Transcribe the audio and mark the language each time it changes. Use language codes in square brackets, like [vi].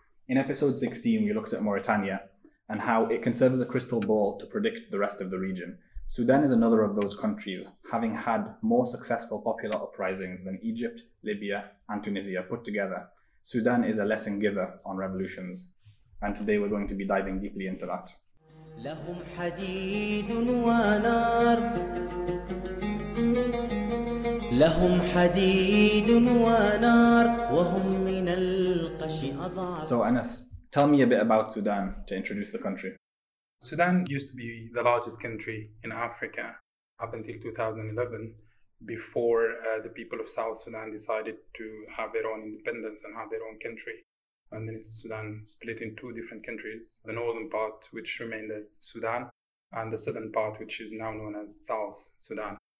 [en] In episode 16, we looked at Mauritania and how it can serve as a crystal ball to predict the rest of the region. Sudan is another of those countries, having had more successful popular uprisings than Egypt, Libya, and Tunisia put together. Sudan is a lesson giver on revolutions, and today we're going to be diving deeply into that. [ar] لهم حديد ونار لهم حديد ونار وهم من القش أضعف. [en] So Anas, tell me a bit about Sudan to introduce the country. Sudan used to be the largest country in Africa up until 2011, before the people of South Sudan decided to have their own independence and have their own country. And then Sudan split in two different countries, the northern part, which remained as Sudan, and the southern part, which is now known as South Sudan.